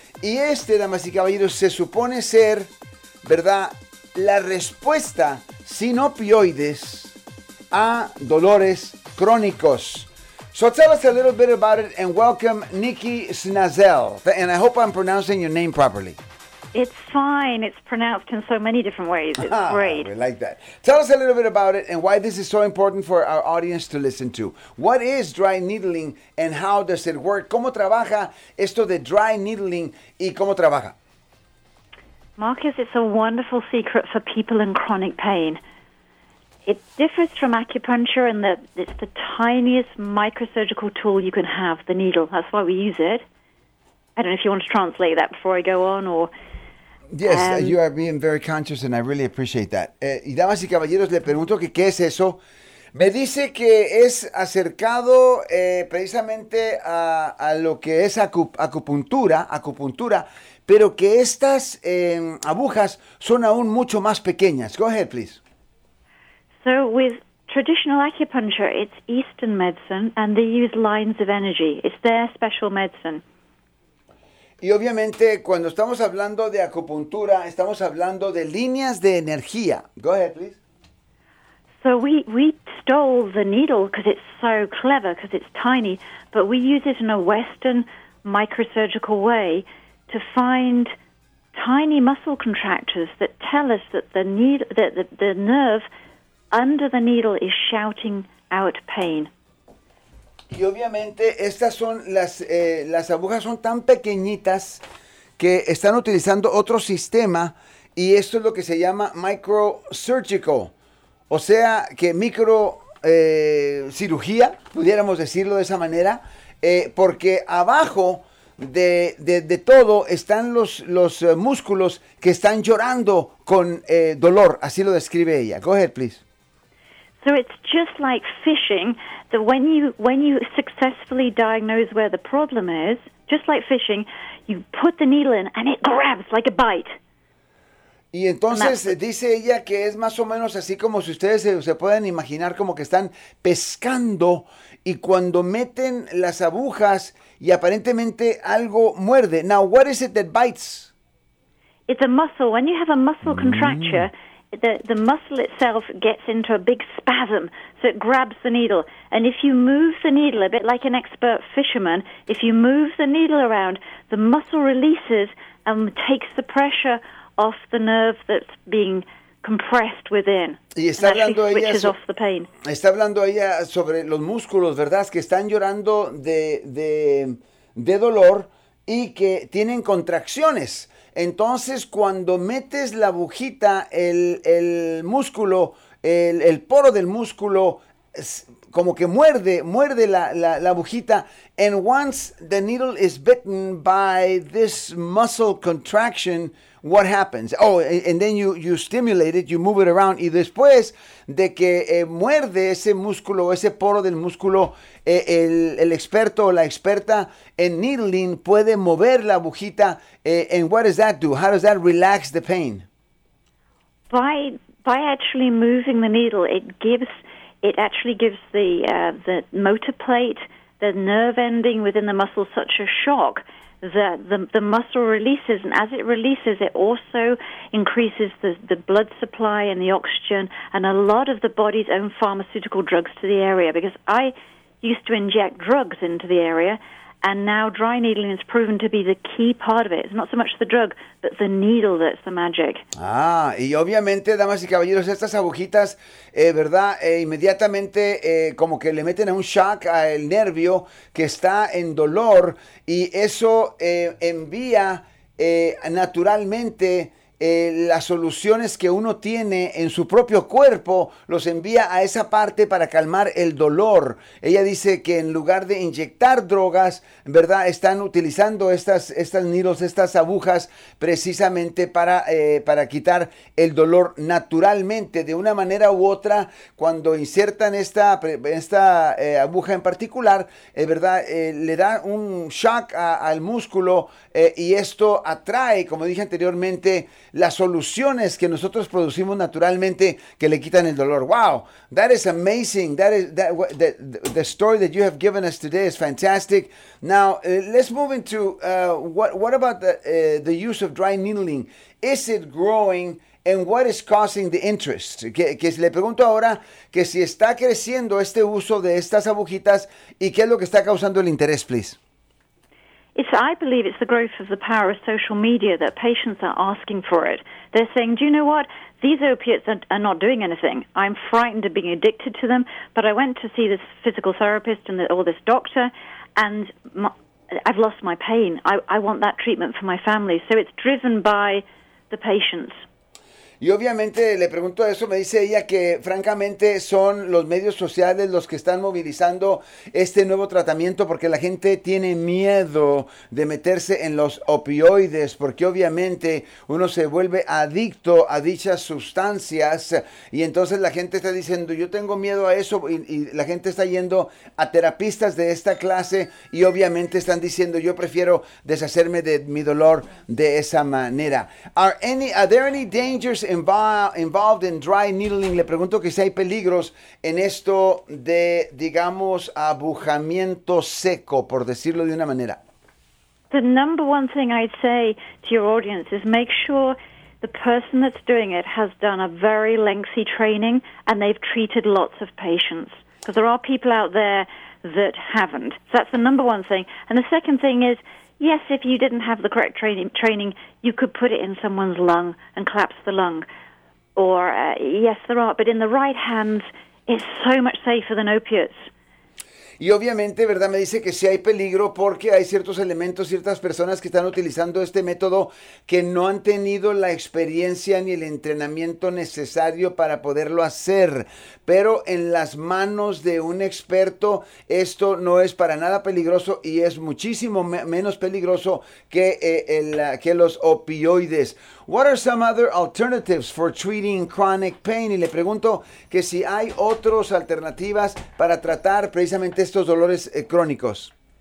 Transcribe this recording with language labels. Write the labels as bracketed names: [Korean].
[Spanish] Y este, damas y caballeros, se supone ser, ¿verdad?, la respuesta sin opioides a dolores crónicos. [English] So tell us a little bit about it and welcome Nikki Snazel. And I hope I'm pronouncing your name properly. It's fine. It's pronounced in so many different ways. It's great. I like that. Tell us a little bit about it and why this is so important for our audience to listen to. What is dry needling and how does it work? [Spanish] ¿Cómo trabaja esto de dry needling y cómo trabaja? [English] Marcus, it's a wonderful secret for people in chronic pain. It differs from acupuncture in that it's the tiniest microsurgical tool you can have, the needle. That's why we use it. I don't know if you want to translate that before I go on or... Yes, you are being very conscious and I really appreciate that. [Spanish] Y damas y caballeros, le pregunto que qué es eso. Me dice que es acercado precisamente a lo que es acupuntura, pero que estas agujas son aún mucho más pequeñas. [English] Go ahead, please. So with traditional acupuncture, it's Eastern medicine, and they use lines of energy. It's their special medicine. [Spanish] Y obviamente, cuando estamos hablando de acupuntura, estamos hablando de líneas de energía. [English] Go ahead, please. So we stole the needle because it's so clever, because it's tiny, but we use it in a Western microsurgical way to find tiny muscle contractures that tell us that the nerve under the needle is shouting out pain. [Spanish] Y obviamente estas son las agujas son tan pequeñitas que están utilizando otro sistema y esto es lo que se llama microsurgical, o sea que micro cirugía, pudiéramos decirlo de esa manera, porque abajo de todo están los músculos que están llorando con dolor, así lo describe ella. [English] Go ahead, please. So it's just like fishing, that when you successfully diagnose where the problem is, just like fishing, you put the needle in and it grabs like a bite. [Spanish] Y entonces dice ella que es más o menos así como si ustedes se pueden imaginar como que están pescando y cuando meten las agujas y aparentemente algo muerde. [English] Now, what is it that bites? It's a muscle. When you have a muscle contracture, The muscle itself gets into a big spasm, so it grabs the needle. And if you move the needle, a bit like an expert fisherman, if you move the needle around, the muscle releases and takes the pressure off the nerve that's being compressed within. [Spanish] Y está hablando ella [English] switches off the pain. [Spanish] Está hablando ella sobre los músculos, ¿verdad? Que están llorando de dolor y que tienen contracciones. Entonces, cuando metes la agujita, el músculo, el poro del músculo, como que muerde la agujita. [English] And once the needle is bitten by this muscle contraction, what happens? Oh, and then you stimulate it, you move it around. [Spanish] Y después de que muerde ese músculo, ese poro del músculo, el experto o la experta en needling puede mover la agujita. [English] And what does that do? How does that relax the pain? By actually moving the needle, it actually gives the motor plate, the nerve ending within the muscle, such a shock that the muscle releases, and as it releases, it also increases the blood supply and the oxygen and a lot of the body's own pharmaceutical drugs to the area. Because I used to inject drugs into the area, and now dry needling has proven to be the key part of it. It's not so much the drug, but the needle that's the magic. [Spanish] Ah, y obviamente, damas y caballeros, estas agujitas, ¿verdad? Inmediatamente, como que le meten a un shock al nervio que está en dolor, y eso envía naturalmente las soluciones que uno tiene en su propio cuerpo los envía a esa parte para calmar el dolor. Ella dice que en lugar de inyectar drogas, ¿verdad? Están utilizando estas needles, estas agujas, precisamente para quitar el dolor naturalmente. De una manera u otra, cuando insertan esta aguja en particular, ¿verdad? Le da un shock al músculo, y esto atrae, como dije anteriormente, las soluciones que nosotros producimos naturalmente que le quitan el dolor. [English] Wow, that is amazing. The story that you have given us today is fantastic. Now, let's move into what about the use of dry needling? Is it growing and what is causing the interest? [Spanish] Que le pregunto ahora que si está creciendo este uso de estas agujitas y qué es lo que está causando el interés, [English] please. I believe it's the growth of the power of social media that patients are asking for it. They're saying, do you know what? These opiates are not doing anything. I'm frightened of being addicted to them, but I went to see this physical therapist or this doctor, and I've lost my pain. I want that treatment for my family. So it's driven by the patients. [Spanish] Y obviamente le pregunto eso, me dice ella que francamente son los medios sociales los que están movilizando este nuevo tratamiento porque la gente tiene miedo de meterse en los opioides, porque obviamente uno se vuelve adicto a dichas sustancias y entonces la gente está diciendo, yo tengo miedo a eso y la gente está yendo a terapistas de esta clase y obviamente están diciendo, yo prefiero deshacerme de mi dolor de esa manera. [English] Are there any dangers involved in dry needling? [Spanish] Le pregunto que si hay peligros en esto de, digamos, abujamiento seco, por decirlo de una manera. [English] The number one thing I'd say to your audience is make sure the person that's doing it has done a very lengthy training and they've treated lots of patients. Because there are people out there that haven't. So that's the number one thing. And the second thing is, yes, if you didn't have the correct training, you could put it in someone's lung and collapse the lung. Yes, there are, but in the right hands, it's so much safer than opiates. [Spanish] Y obviamente, ¿verdad? Me dice que sí hay peligro porque hay ciertos elementos, ciertas personas que están utilizando este método que no han tenido la experiencia ni el entrenamiento necesario para poderlo hacer. Pero en las manos de un experto, esto no es para nada peligroso y es muchísimo me menos peligroso que los opioides. [English] What are some other alternatives for treating chronic pain? [Spanish] Y le pregunto que si hay otras alternativas para tratar precisamente estos dolores crónicos.